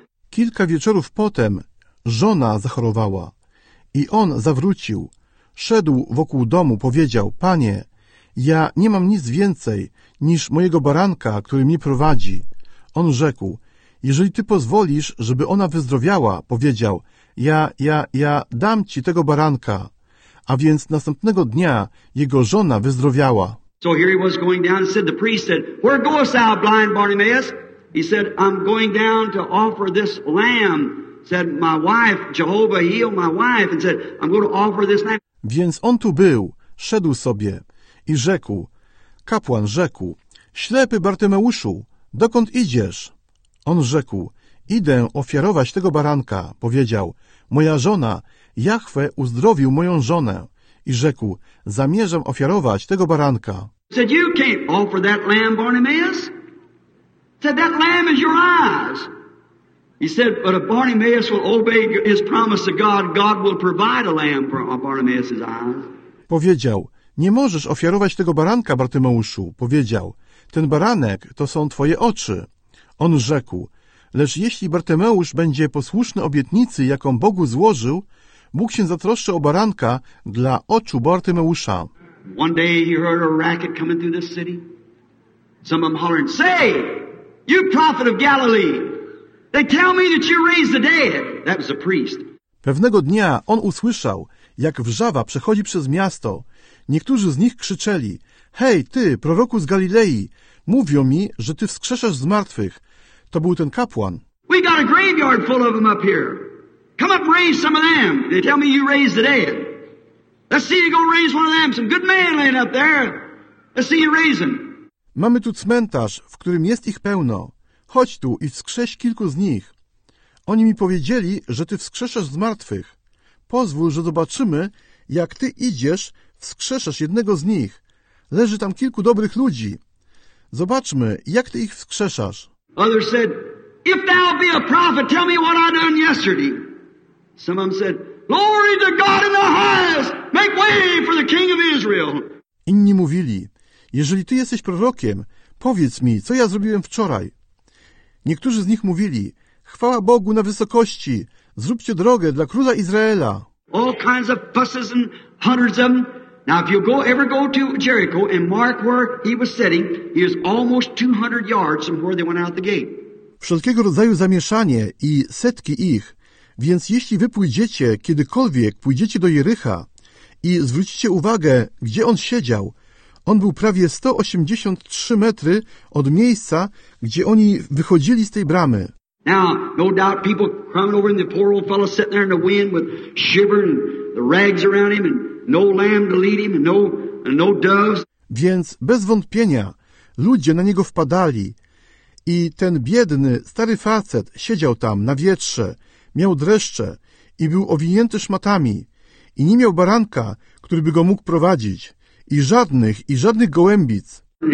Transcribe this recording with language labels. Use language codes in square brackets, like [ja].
[pl] Kilka wieczorów potem żona zachorowała i on zawrócił, szedł wokół domu, powiedział, Panie, ja nie mam nic więcej niż mojego baranka, który mnie prowadzi. On rzekł, jeżeli ty pozwolisz, żeby ona wyzdrowiała, powiedział, ja dam ci tego baranka. A więc następnego dnia jego żona wyzdrowiała. [en] So here he was going down and said, the priest said, where goest thou, blind Bartimaeus? He said, I'm going down to offer this lamb. Said, my wife, Jehovah heal my wife. And said, I'm going to offer this lamb. [pl] Więc on tu był, szedł sobie. I rzekł, kapłan rzekł, ślepy Bartymeuszu, dokąd idziesz? On rzekł, idę ofiarować tego baranka. Powiedział, moja żona, Jahwe uzdrowił moją żonę. I rzekł, zamierzam ofiarować tego baranka. [en] Said, you can't offer that lamb, Bartimaeus. Said, that lamb is your eyes. He said, but if Bartimaeus will obey his promise to God, God will provide a lamb for Bartimaeus' eyes. [pl] Powiedział, nie możesz ofiarować tego baranka, Bartymeuszu, powiedział. Ten baranek to są twoje oczy. On rzekł, lecz jeśli Bartymeusz będzie posłuszny obietnicy, jaką Bogu złożył, Bóg się zatroszczy o baranka dla oczu Bartymeusza. [en] One day he heard a racket coming through this city. Some of them hollering, say, you prophet of Galilee, they tell me that you raised the dead. That was a priest. [pl] Pewnego dnia on usłyszał, jak wrzawa przechodzi przez miasto. Niektórzy z nich krzyczeli, hej, ty, proroku z Galilei, mówią mi, że ty wskrzeszasz z martwych. To był ten kapłan. [en] We got a graveyard full of them up here. Come up and raise some of them. They tell me you raised the dead. Let's see you go raise one of them. Some good man laying up there. Let's see you raise him. [pl] Mamy tu cmentarz, w którym jest ich pełno. Chodź tu i wskrześ kilku z nich. Oni mi powiedzieli, że ty wskrzeszasz z martwych. Pozwól, że zobaczymy, jak ty idziesz, wskrzeszasz jednego z nich. Leży tam kilku dobrych ludzi. Zobaczmy, jak ty ich wskrzeszasz. [en] Others said, if thou be a prophet, tell me what I done yesterday. Some of them said, glory to God in the highest, make way for the king of Israel. [pl] Inni mówili, jeżeli ty jesteś prorokiem, powiedz mi, co ja zrobiłem wczoraj. Niektórzy z nich mówili, chwała Bogu na wysokości, zróbcie drogę dla króla Izraela. [en] All kinds of fusses and hundreds of them. Now, if you go ever go to Jericho and mark where he was sitting, he is almost 200 yards from where they went out the gate. [pl] Wszelkiego rodzaju zamieszanie i setki ich. Więc jeśli wy pójdziecie, kiedykolwiek pójdziecie do Jerycha i zwrócicie uwagę, gdzie on siedział, On był prawie 183 metry od miejsca, gdzie oni wychodzili z tej bramy. [en] Now, no doubt people crying over and the poor old fellow sitting there in the wind with shivering the rags around him and no lamb to lead him and no doves. [pl] Więc bez wątpienia ludzie na niego wpadali i ten biedny, stary facet siedział tam na wietrze, miał dreszcze i był owinięty szmatami i nie miał baranka, który by go mógł prowadzić i żadnych gołębic.